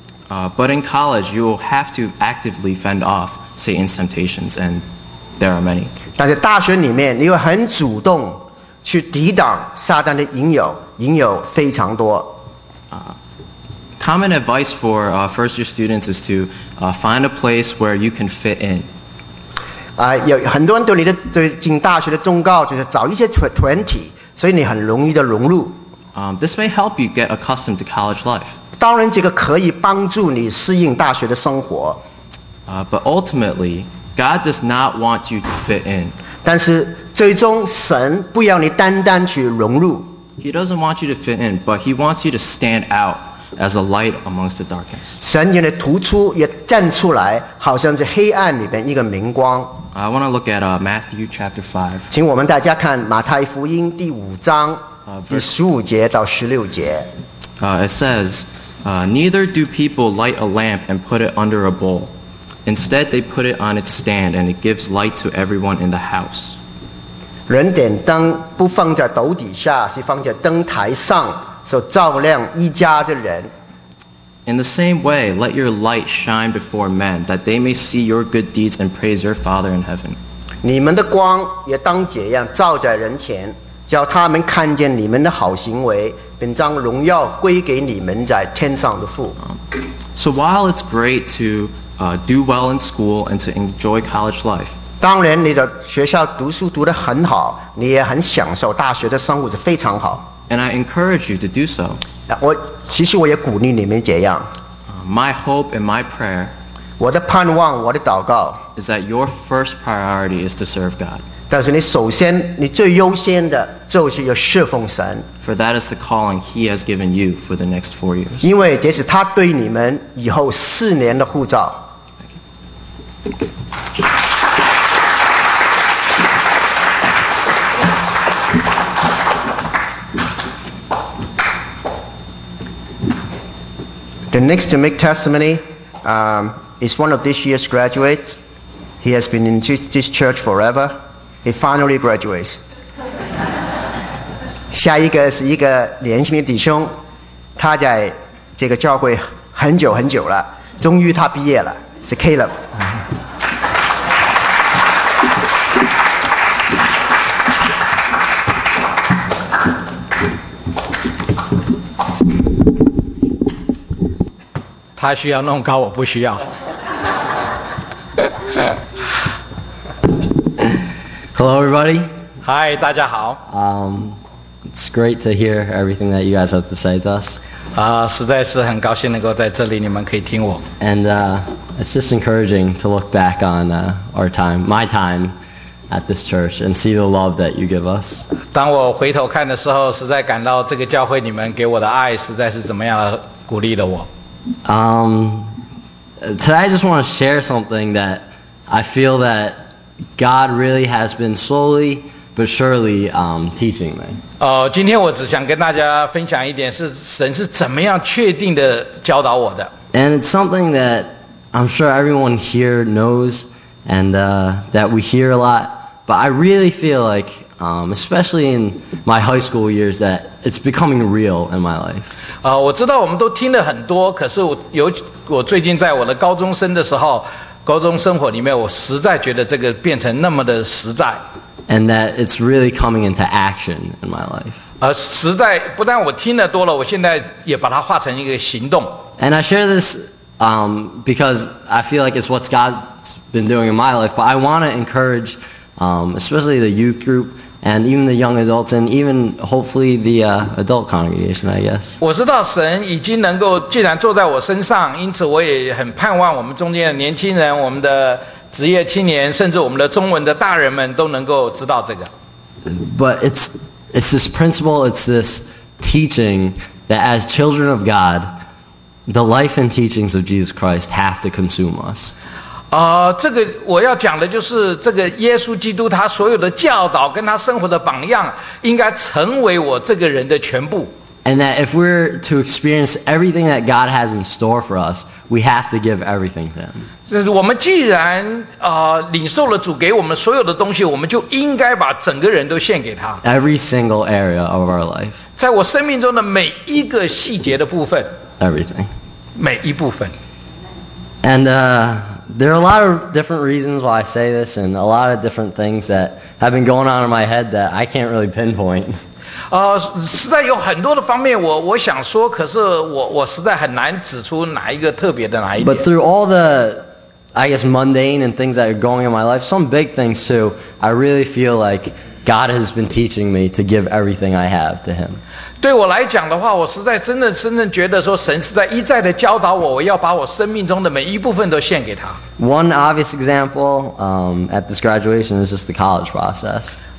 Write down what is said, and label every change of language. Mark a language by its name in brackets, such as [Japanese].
[English] But in college, you will have to actively fend off Satan's temptations, and there are many. [Chinese] 但是大学里面，你又很主动去抵挡撒旦的引诱，引诱非常多。 [English] Common advice for first-year students is to find a place where you can fit in. [Chinese] 有很多人对你的对进大学的忠告就是找一些团体，所以你很容易的融入。 [English] This may help you get accustomed to college life. [Chinese] 当然，这个可以帮助你适应大学的生活。 [English] But ultimately, God does not want you to fit in. [Chinese] 但是最终神不要你单单去融入。 [English] He doesn't want you to fit in, but he wants you to stand out as a light amongst the darkness. [Chinese] 神要你突出，也站出来，好像是黑暗里边一个明光。 [English] I want to look at Matthew chapter 5. [Chinese] 请我们大家看马太福音第五章第十五节到十六节。 [English] It says, neither do people light a lamp and put it under a bowl. Instead, they put it on its stand, and it gives light to everyone in the house. [Chinese] 人点灯不放在斗底下，是放在灯台上，所照亮一家的人。 [English] In the same way, let your light shine before men, that they may see your good deeds and praise your Father in heaven. [Chinese] 你们的光也当这样照在人前，叫他们看见你们的好行为，并将荣耀归给你们在天上的父。 [English] So while it's great to do well in school and to enjoy college life, [Chinese] 当然你的学校读书读得很好，你也很享受大学的生活是非常好。 [English] And I encourage you to do so. [Chinese] 其实我也鼓励你们这样。 [English] My hope and my prayer, [Chinese] 我的盼望，我的祷告 [English] is that your first priority is to serve God. [Chinese] 但是你首先，你最优先的就是要侍奉神。 [English] For that is the calling He has given you for the next 4 years. [Chinese] 因为这是他对你们以后四年的护照。 [English] The next to make testimony is one of this year's graduates. He has been in this church forever. He finally graduates. [Chinese] 下一个是一个年轻的弟兄，他在这个教会很久很久了，终于他毕业了，是 Caleb. 他需要弄高，我不需要。 [English] Hello, everybody. [Chinese] Hi, 大家好。 [English] It's great to hear everything that you guys have to say to us. [Chinese] 实在是很高兴能够在这里，你们可以听我。 [English] And it's just encouraging to look back on our time, my time at this church, and see the love that you give us. [Chinese] 当我回头看的时候，实在感到这个教会你们给我的爱，实在是怎么样鼓励了我。 [English] Today I just want to share something that I feel that God really has been slowly but surely teaching me. [Chinese] 今天我只想跟大家分享一点，是神是怎么样确定的教导我的。 [English] And it's something that I'm sure everyone here knows and that we hear a lot, but I really feel like, especially in my high school years, that it's becoming real in my life. [Chinese] 我知道我们都听了很多，可是我最近在我的高中生的时候，高中生活里面，我实在觉得这个变成那么的实在。 [English] And that it's really coming into action in my life. [Chinese] 实在不但我听得多了，我现在也把它化成一个行动。 [English] And I share this because I feel like it's what God's been doing in my life, but I want to encourage especially the youth group. And even the young adults, and even hopefully the adult congregation, I guess. [Chinese] 我知道神已经能够既然坐在我身上，因此我也很盼望我们中间的年轻人，我们的职业青年，甚至我们的中文的大人们都能够知道这个。 [English] But it's this principle, it's this teaching that as children of God, the life and teachings of Jesus Christ have to consume us. [Chinese] 这个我要讲的就是这个耶稣基督他所有的教导跟他生活的榜样应该成为我这个人的全部。 [English] And that if we're to experience everything that God has in store for us, we have to give everything to him. [Chinese] 我们既然领受了主给我们所有的东西，我们就应该把整个人都献给他。 [English] Every single area of our life. [Chinese] 在我生命中的每一个细节的部分。 [English] Everything. [Chinese] 每一部分。 [English] And, There are a lot of different reasons why I say this and a lot of different things that have been going on in my head that I can't really pinpoint. [Chinese] 实在有很多的方面我想说，可是我实在很难指出哪一个特别的哪一点。 [English] But through all the, I guess, mundane and things that are going in my life, some big things too, I really feel like God has been teaching me to give everything I have to him. [Chinese] 对我来讲的话，我实在真正觉得说，神是在一再的教导我，我要把我生命中的每一部分都献给他。 [English] One obvious example at this graduation is just the college process.